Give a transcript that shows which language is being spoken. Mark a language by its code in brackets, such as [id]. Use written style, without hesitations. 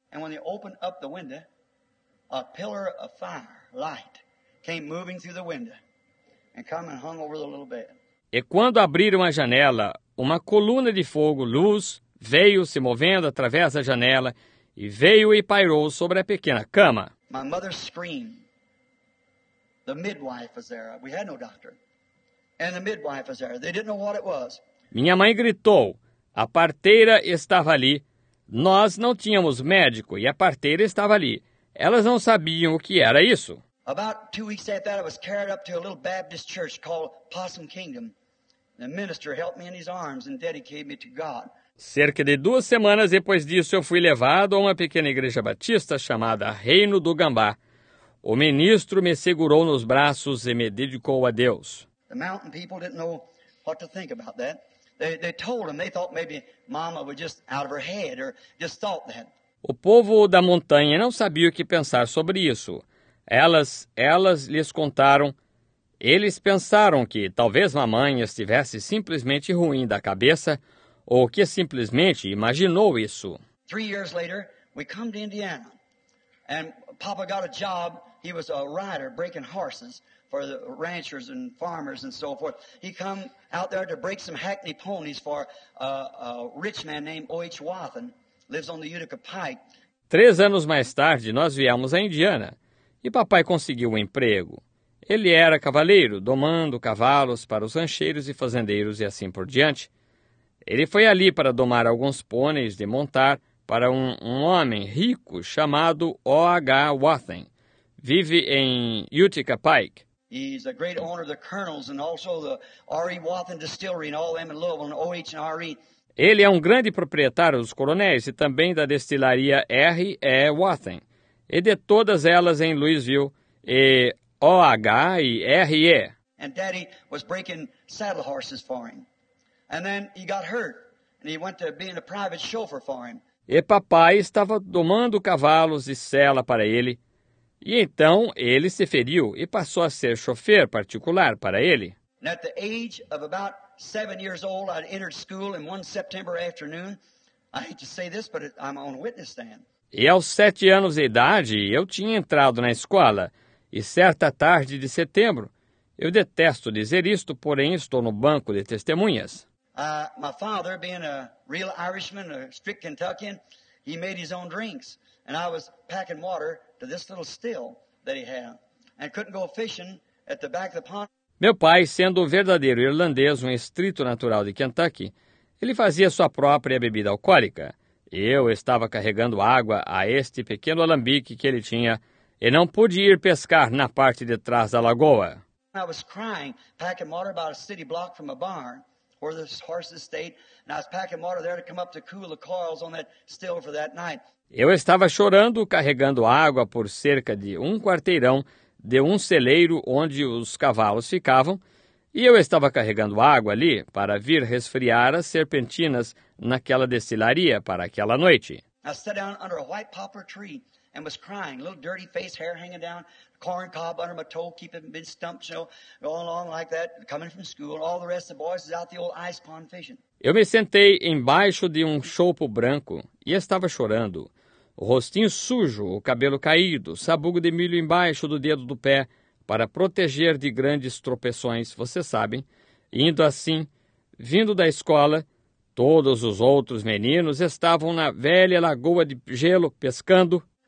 [en] And when they opened up the window, a pillar of fire, light, came moving through the window and came and hung over the little bed. [pt] E quando abriram a janela, uma coluna de fogo, luz, veio se movendo através da janela e veio e pairou sobre a pequena cama. [en] My mother screamed. The midwife was there. We had no doctor. And the midwife was there. They didn't know what it was. [pt] Minha mãe gritou. A parteira estava ali. Nós não tínhamos médico e a parteira estava ali. Elas não sabiam o que era isso. [en] About 2 weeks after that, I was carried up to a little Baptist church called Possum Kingdom. The minister held me in his arms and dedicated me to God. [pt] Cerca de 2 semanas depois disso, eu fui levado a uma pequena igreja batista chamada Reino do Gambá. O ministro me segurou nos braços e me dedicou a Deus. [en] The mountain people didn't know what to think about that. They told him they thought maybe Mama was just out of her head or just thought that. [pt] O povo da montanha não sabia o que pensar sobre isso. Elas lhes contaram. Eles pensaram que talvez mamãe estivesse simplesmente ruim da cabeça ou que simplesmente imaginou isso. [en] 3 years later, we come to Indiana, and Papa got a job. He was a rider breaking horses for the ranchers and farmers and so forth. He come out there to break some hackney ponies for a rich man named O.H. Wathen, lives on the Utica Pike. [pt] 3 anos mais tarde, nós viemos a Indiana e papai conseguiu um emprego. Ele era cavaleiro, domando cavalos para os rancheiros e fazendeiros e assim por diante. Ele foi ali para domar alguns pôneis de montar para um homem rico chamado O.H. Wathen. Vive em Utica Pike. [en] He's a great owner of the Colonels and also the R.E. Wathen Distillery and all them in Louisville, O.H. and R.E. [pt] Ele é um grande proprietário dos Coronéis e também da destilaria R.E. Wathen e de todas elas em Louisville e O.H. e R.E. [en] And Daddy was breaking saddle horses for him. And then he got hurt and he went to being a private chauffeur for him. [pt] E papai estava domando cavalos e sela para ele. E então ele se feriu e passou a ser chofer particular para ele. [en] At the age of about 7 years old, I entered school in one September afternoon. I hate to say this, but I'm on witness stand. [pt] E aos 7 anos de idade, eu tinha entrado na escola. E certa tarde de setembro, eu detesto dizer isto, porém estou no banco de testemunhas. [en] My father, being a real Irishman, a strict Kentuckian, he made his own drinks. And I was packing water to this little still that he had, and couldn't go fishing at the back of the pond. [pt] Meu pai, sendo um verdadeiro irlandês, um estrito natural de Kentucky, ele fazia sua própria bebida alcoólica. Eu estava carregando água a este pequeno alambique que ele tinha, e não pude ir pescar na parte de trás da lagoa. [en] I was crying, packing water about a city block from a barn where the horses stayed, and I was packing water there to come up to cool the coils on that still for that night. [pt] Eu estava chorando, carregando água por cerca de um quarteirão de um celeiro onde os cavalos ficavam, e eu estava carregando água ali para vir resfriar as serpentinas naquela destilaria para aquela noite. [en] I sat down under a white poplar tree and was crying, little dirty face, hair hanging down, corn cob under my toe, keeping big stumps, you know, going along like that, coming from school, all the rest of the boys is out the old ice pond fishing. [pt] Eu me sentei embaixo de um choupo branco e estava chorando. O rostinho sujo, o cabelo caído, sabugo de milho embaixo do dedo do pé para proteger de grandes tropeções, vocês sabem. Indo assim, vindo da escola, todos os outros meninos estavam na velha lagoa de gelo pescando.